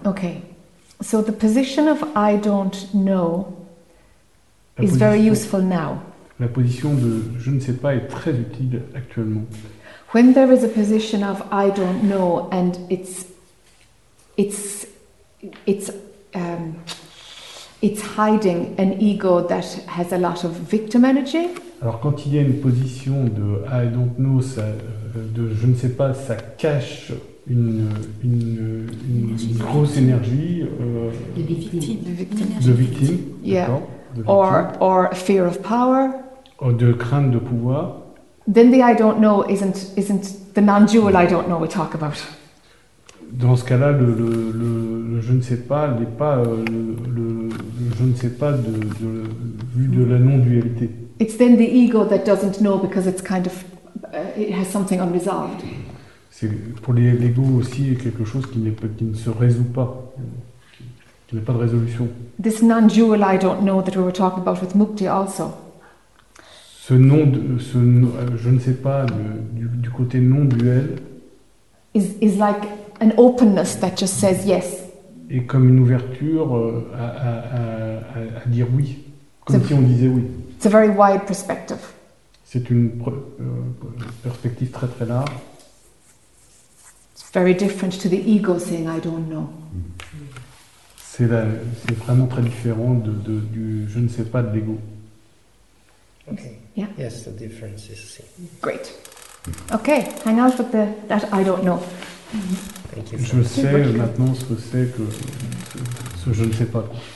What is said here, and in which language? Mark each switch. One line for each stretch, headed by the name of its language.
English: Okay, so the position of I don't know is very useful now.
French: La position de je ne sais pas est très utile actuellement.
English: When there is a position of I don't know and it's it's hiding an ego that has a lot of victim energy.
French: Alors quand il y a une position de
English: I don't know,
French: ça, de je ne sais pas, ça cache une grosse énergie de victime.
English: Yeah. Or fear of power.
French: Ou de crainte de pouvoir.
English: Then the I don't know isn't the non-dual I don't know we talk about.
French: Dans ce cas-là, le je ne sais pas n'est pas le je ne sais pas de vu de la non-dualité.
English: It's then the ego that doesn't know because it's kind of it has something unresolved.
French: C'est pour l'ego aussi quelque chose qui ne se résout pas, qui n'a pas de résolution.
English: This non-dual I don't know that we were talking about with Mukti also.
French: Ce non, ce je ne sais pas du côté non duel.
English: Is like an openness that just says yes.
French: Et comme une ouverture à dire oui, comme si on disait oui.
English: It's a very wide perspective.
French: C'est une perspective très très large.
English: It's very different to the ego saying I don't know.
French: C'est vraiment très différent du je ne sais pas de l'ego. Okay. Yeah.
English: Yes, the difference is great. Okay, hang out with that I don't know. Thank you.
French: Je sais maintenant ce que c'est que ce je ne sais pas.